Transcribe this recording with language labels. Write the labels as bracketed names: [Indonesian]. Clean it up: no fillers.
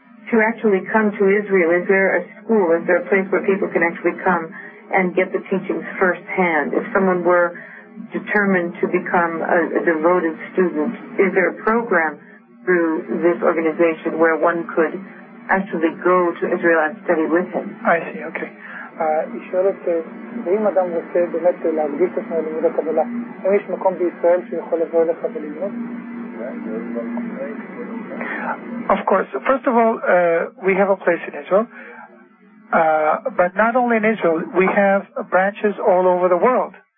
[English] To actually come to Israel. Is there a school? Is there a place where people can actually come and get the teachings firsthand? If someone were determined to become a devoted student, is there a program through this organization where one could actually go to Israel and study with him? I see, okay. [Hebrew] היא שואלת, ואם אדם רוצה באמת להגדיש את לימוד הקבלה, האם יש מקום בישראל שיכול לבוא אליך ולימוד? [English] Of course. First of all, we have a place in Israel. But not only in Israel, we have branches all over the world.